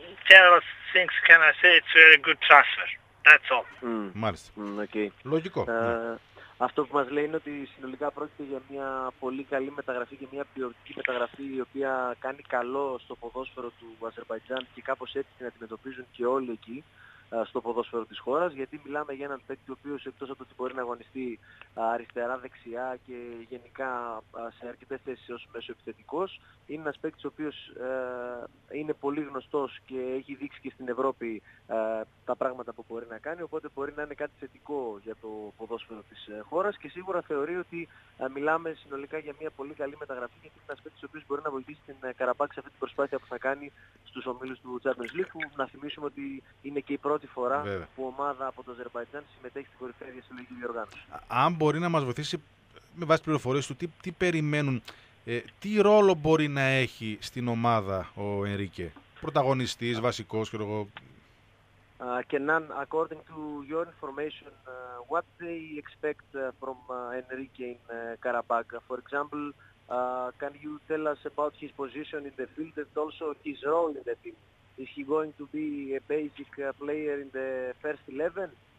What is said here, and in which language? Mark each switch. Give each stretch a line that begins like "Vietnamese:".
English: General things, can I say, it's a very good transfer. That's all.
Greek: Μάλιστα.
English: Okay.
Greek: Λογικό. Αυτό που μας λέει είναι ότι συνολικά πρόκειται για μια πολύ καλή μεταγραφή και μια ποιοτική μεταγραφή η οποία κάνει καλό στο ποδόσφαιρο του Αζερβαϊτζάν και κάπως έτσι την αντιμετωπίζουν και όλοι εκεί. Στο ποδόσφαιρο της χώρας, γιατί μιλάμε για έναν παίκτη ο οποίος εκτός από ότι μπορεί να αγωνιστεί αριστερά, δεξιά και γενικά σε αρκετές θέσεις ως μέσο επιθετικός, είναι ένας παίκτης ο οποίος είναι πολύ γνωστός και έχει δείξει και στην Ευρώπη τα πράγματα που μπορεί να κάνει, οπότε μπορεί να είναι κάτι θετικό για το ποδόσφαιρο της χώρας και σίγουρα θεωρεί ότι μιλάμε συνολικά για μια πολύ καλή μεταγραφή, γιατί είναι ένας παίκτης ο οποίος μπορεί να βοηθήσει την Καραμπάκ σε αυτή την προσπάθεια που θα κάνει στους ομίλους του Champions League, που να θυμίσουμε ότι είναι και η πρώτη φορά Βέβαια. Που ομάδα από το Αζερβαϊτζάν συμμετέχει στην κορυφαία διασυλλογική διοργάνωση. Αν μπορεί να μας βοηθήσει με βάση πληροφορίες του, τι περιμένουν, τι ρόλο μπορεί να έχει στην ομάδα ο Ενρίκε, πρωταγωνιστής, βασικός, ξέρω εγώ.
English: Kenan, according to your information, what they expect from Enrique in Karabakh? For example, can you tell us about his position in the field and also his role in the team? Is he going to be a basic player in the first 11?